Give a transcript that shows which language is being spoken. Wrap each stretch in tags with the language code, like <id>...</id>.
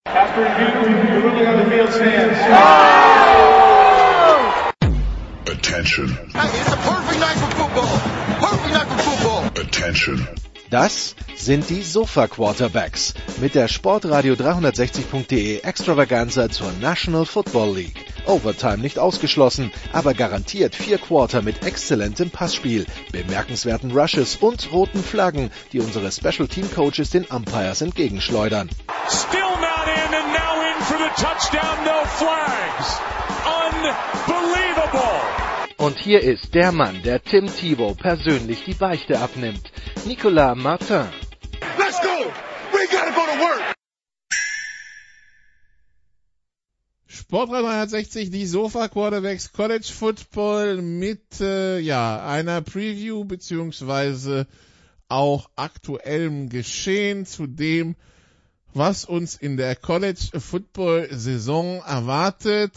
<en>After you do on the field stands. Attention. Hey, it's a perfect night for football. Perfect night for football. Attention.</en> <de>Das sind die Sofa-Quarterbacks mit der Sportradio360.de Extravaganza zur National Football League. Overtime nicht ausgeschlossen, aber garantiert vier Quarter mit exzellentem Passspiel, bemerkenswerten Rushes und roten Flaggen, die unsere Special Team Coaches den Umpires entgegenschleudern.</de> <en>Still not in and now in for the touchdown, no flags. Unbelievable.</en> <de>Und hier ist der Mann, der Tim Tebow persönlich die Beichte abnimmt. Nicolas Martin.</de> <en>Let's go! We gotta go to work!</en> <de>Sportrad 360, die Sofa Quarterbacks College Football mit einer Preview beziehungsweise auch aktuellem Geschehen zu dem, was uns in der College Football Saison erwartet.</de>